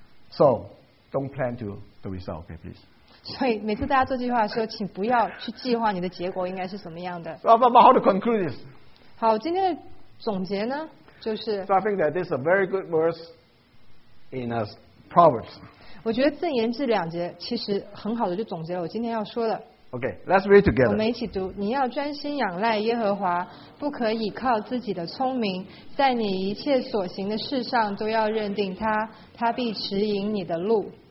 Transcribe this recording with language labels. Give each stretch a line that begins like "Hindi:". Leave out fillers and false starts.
English: So, don't plan to the result, okay, please.
Chinese: 所以每次大家做计划的时候，请不要去计划你的结果应该是怎么样的。
English: So, but how to conclude this?
Chinese: 好，今天的总结呢，就是。
English: So I think that this is a very good verse in a Proverbs.
Chinese: 我觉得箴言这两节其实很好的就总结了我今天要说的。
English: Okay, let's read together.
Chinese: 我们一起读。你要专心仰赖耶和华，不可倚靠自己的聪明，在你一切所行的事上都要认定他，他必指引你的路。